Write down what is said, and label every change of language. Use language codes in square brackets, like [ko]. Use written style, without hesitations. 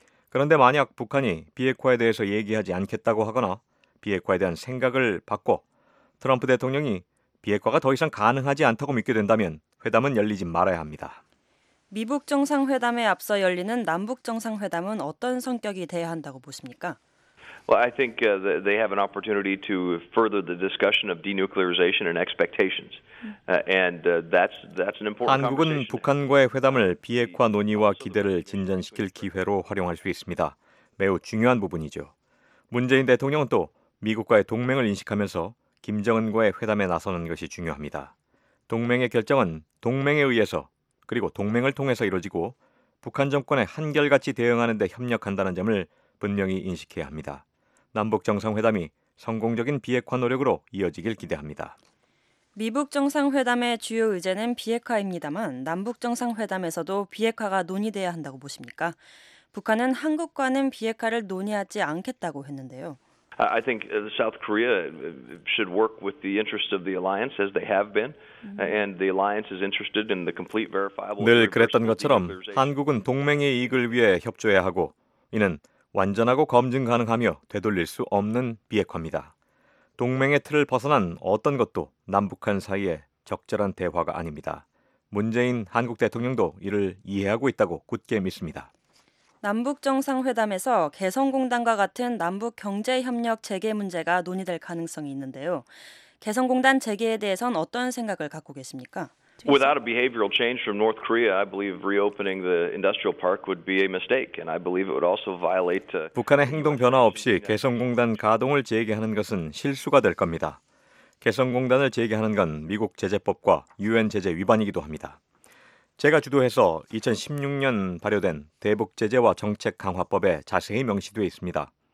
[ko] 그런데 만약 북한이 비핵화에 대해서 얘기하지 않겠다고 하거나 비핵화에 대한 생각을 바꿔 트럼프 대통령이 비핵화가 더 이상 가능하지 않다고 믿게 된다면 회담은 열리지 말아야 합니다. 미북 정상회담에 앞서 열리는 남북 정상회담은 어떤 성격이 돼야 한다고 보십니까? [en] Well, I think they have an opportunity to further the discussion of denuclearization and expectations. And that's an important [ko] 한국은 북한과의 회담을 비핵화 논의와 기대를 진전시킬 기회로 활용할 수 있습니다. 매우 중요한 부분이죠. 문재인 대통령은 또 미국과의 동맹을 인식하면서 김정은과의 회담에 나서는 것이 중요합니다. 동맹의 결정은 동맹에 의해서 그리고 동맹을 통해서 이루어지고 북한 정권에 한결같이 대응하는 데 협력한다는 점을 분명히 인식해야 합니다. 남북 정상회담이 성공적인 비핵화 노력으로 이어지길 기대합니다. 미북 정상회담의 주요 의제는 비핵화입니다만 남북 정상회담에서도 비핵화가 논의돼야 한다고 보십니까? 북한은 한국과는 비핵화를 논의하지 않겠다고 했는데요. [en] I think South Korea should work with the interests of the alliance as they have been, and the alliance is interested in the complete verifiable. [ko] 늘 그랬던 것처럼 한국은 동맹의 이익을 위해 협조해야 하고 이는 완전하고 검증 가능하며 되돌릴 수 없는 비핵화입니다. 동맹의 틀을 벗어난 어떤 것도 남북한 사이에 적절한 대화가 아닙니다. 문재인 한국 대통령도 이를 이해하고 있다고 굳게 믿습니다. 남북 정상회담에서 개성공단과 같은 남북 경제 협력 재개 문제가 논의될 가능성이 있는데요. 개성공단 재개에 대해선 어떤 생각을 갖고 계십니까? [en] Without a behavioral change from North Korea, I believe reopening the industrial park would be a mistake, and I believe it would also violate. [ko] 북한의 행동 변화 없이 개성공단 가동을 재개하는 것은 실수가 될 겁니다. 개성공단을 재개하는 건 미국 제재법과 유엔 제재 위반이기도 합니다. 제가 주도해서 2016년 발효된 대북 제재와 정책 강화법에 자세히 명시돼 있습니다.